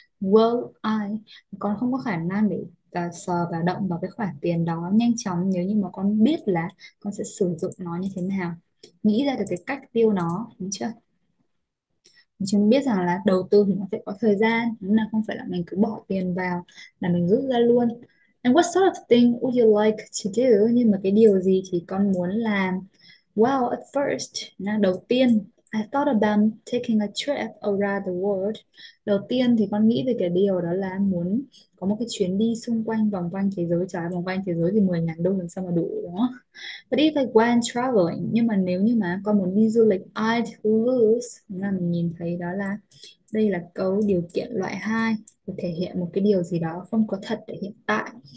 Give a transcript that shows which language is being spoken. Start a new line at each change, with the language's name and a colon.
English: Will I,
Vietnamese: con không có khả năng để và sờ và động vào cái khoản tiền đó nhanh chóng nếu như mà con biết là con sẽ sử dụng nó như thế nào, nghĩ ra được cái cách tiêu nó, đúng chưa? Chúng biết rằng là đầu tư thì nó phải có thời gian, đúng là không phải là mình cứ bỏ tiền vào là mình rút ra luôn.
English: And what sort of thing would you like to do?
Vietnamese: Nhưng mà cái điều gì thì con muốn làm?
English: Well, at first,
Vietnamese: nào, đầu tiên,
English: I thought about taking a trip around the world.
Vietnamese: Đầu tiên thì con nghĩ về cái điều đó là muốn có một cái chuyến đi xung quanh, vòng quanh thế giới. Trái vòng quanh thế giới thì 10.000 đô làm sao mà đủ, đúng không?
English: But if I went traveling,
Vietnamese: nhưng mà nếu như mà con muốn đi du lịch,
English: I'd lose.
Vietnamese: Là mình nhìn thấy đó là đây là câu điều kiện loại 2, để thể hiện một cái điều gì đó không có thật ở hiện tại.